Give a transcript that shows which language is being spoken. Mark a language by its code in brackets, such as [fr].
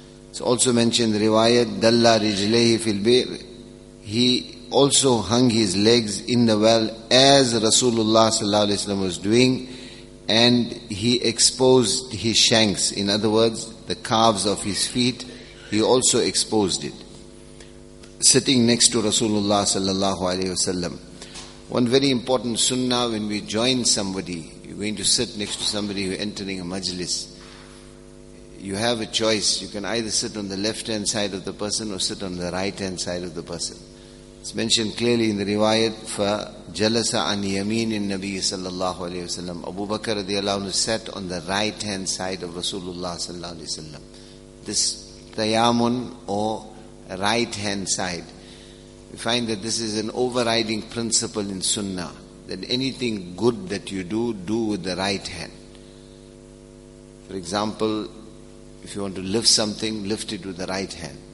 [en] It's also mentioned in the riwayat, [ar] dalla rijlayhi fil bir, [en] he also hung his legs in the well as Rasulullah sallallahu alayhi wasallam was doing, and he exposed his shanks, in other words, the calves of his feet, he also exposed it, sitting next to Rasulullah sallallahu alayhi wasallam. One very important sunnah: when we join somebody, you're going to sit next to somebody who's entering a majlis, you have a choice. You can either sit on the left-hand side of the person or sit on the right-hand side of the person. It's mentioned clearly in the riwayat, [ar] فَجَلَسَ عَنْ يَمِينِ النَّبِيِّ صَلَّى اللَّهُ عَلَيْهِ وَسَلَّمَ. [en] Abu Bakr radiallahu anhu sat on the right-hand side of Rasulullah sallallahu alayhi wa sallam. This tayamun, or right-hand side, we find that this is an overriding principle in sunnah, that anything good that you do, do with the right hand. For example, if you want to lift something, lift it with the right hand.